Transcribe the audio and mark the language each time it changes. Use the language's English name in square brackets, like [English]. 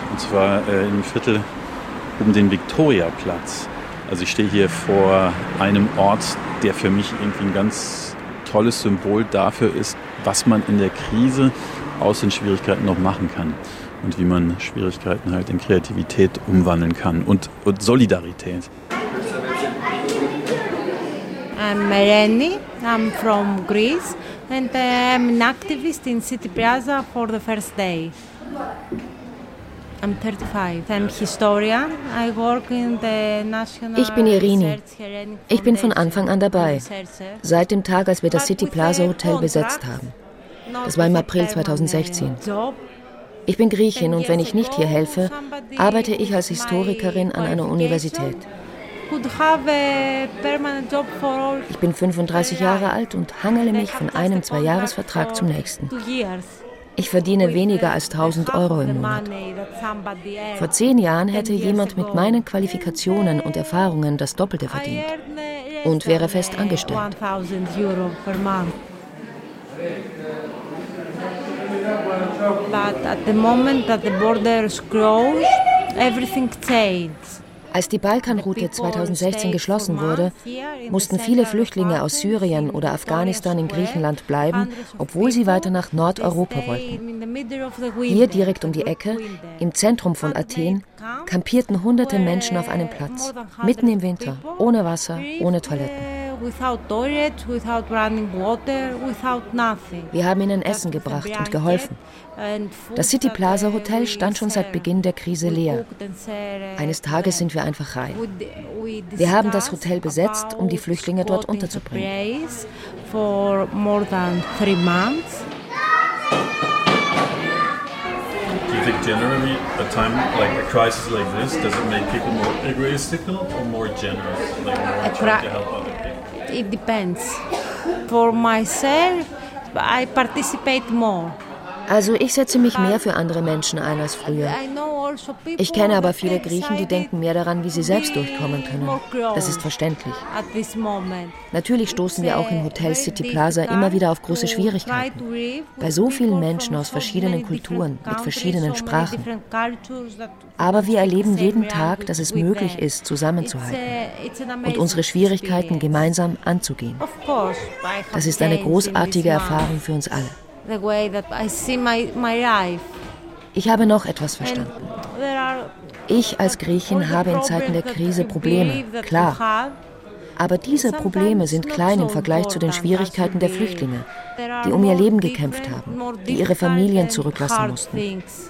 [German] Und zwar im Viertel um den Viktoriaplatz. Also ich stehe hier vor einem Ort, der für mich irgendwie ein ganz tolles Symbol dafür ist, was man in der Krise aus den Schwierigkeiten noch machen kann. Und wie man Schwierigkeiten halt in Kreativität umwandeln kann und Solidarität. [English] I'm Eleni, I'm from Greece and I'm an activist in City Plaza for the first day. I'm 35. I'm historian. I work in the National. [German] Ich bin Irini. Ich bin von Anfang an dabei. Seit dem Tag, als wir das City Plaza Hotel besetzt haben. Das war im April 2016. Ich bin Griechin und wenn ich nicht hier helfe, arbeite ich als Historikerin an einer Universität. Ich bin 35 Jahre alt und hangele mich von einem Zweijahresvertrag zum nächsten. Ich verdiene weniger als 1.000 Euro im Monat. Vor 10 Jahren hätte jemand mit meinen Qualifikationen und Erfahrungen das Doppelte verdient und wäre fest angestellt. [English] But at the moment that the borders closed, everything changed. [German] Als die Balkanroute 2016 geschlossen wurde, mussten viele Flüchtlinge aus Syrien oder Afghanistan in Griechenland bleiben, obwohl sie weiter nach Nordeuropa wollten. Hier direkt um die Ecke, im Zentrum von Athen, kampierten hunderte Menschen auf einem Platz, mitten im Winter, ohne Wasser, ohne Toiletten. [English] Without toilet, without running water, without nothing. [German] Wir haben ihnen Essen gebracht und geholfen. Das City Plaza Hotel stand schon seit Beginn der Krise leer. Eines Tages sind wir einfach rein. Wir haben das Hotel besetzt, um die Flüchtlinge dort unterzubringen. [English] Do you think generally a time like a crisis like this, does it make people more egoistical or more generous, like more trying to help other people? It depends. For myself, I participate more. [German] Also ich setze mich mehr für andere Menschen ein als früher. Ich kenne aber viele Griechen, die denken mehr daran, wie sie selbst durchkommen können. Das ist verständlich. Natürlich stoßen wir auch im Hotel City Plaza immer wieder auf große Schwierigkeiten. Bei so vielen Menschen aus verschiedenen Kulturen, mit verschiedenen Sprachen. Aber wir erleben jeden Tag, dass es möglich ist, zusammenzuhalten und unsere Schwierigkeiten gemeinsam anzugehen. Das ist eine großartige Erfahrung für uns alle. [English] The way that I see my life. [German] Ich habe noch etwas verstanden. Ich als Griechin habe in Zeiten der Krise Probleme, klar. Aber diese Probleme sind klein im Vergleich zu den Schwierigkeiten der Flüchtlinge, die um ihr Leben gekämpft haben, die ihre Familien zurücklassen mussten.